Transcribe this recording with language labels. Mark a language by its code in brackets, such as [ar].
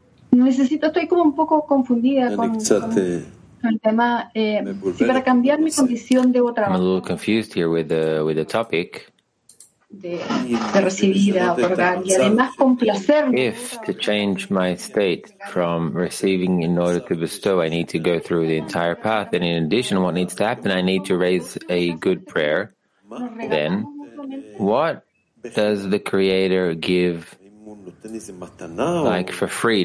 [es] Necesito, estoy como un poco confundida con el tema. Si para cambiar mi condición debo trabajar. [en] I'm a little confused here with the topic. [es] De recibir a otorgar y además complacerme. [en] If to change my state from receiving in order to bestow, I need to go through the entire path. And in addition, what needs to happen, I need to raise a good prayer. Then. What does the Creator give like for free?